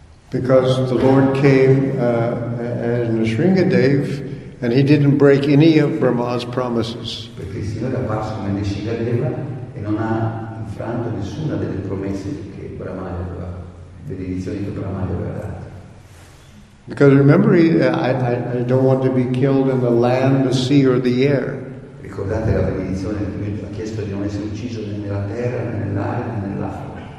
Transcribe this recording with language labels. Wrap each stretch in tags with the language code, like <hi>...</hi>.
<en>Because the Lord came as Nrisingadev and he didn't break any of Brahma's promises.</en> <it>Perché il Signore è apparso come Nrisingadeva e non ha infranto nessuna delle promesse che Brahma aveva, delle edizioni che Brahma aveva dato.</it> <en>Because remember, I don't want to be killed in the land, the sea or the air.</en> <it>Ricordate la benedizione che lui ha chiesto di non essere ucciso né nella terra, né nell'aria, né nell'acqua.</it>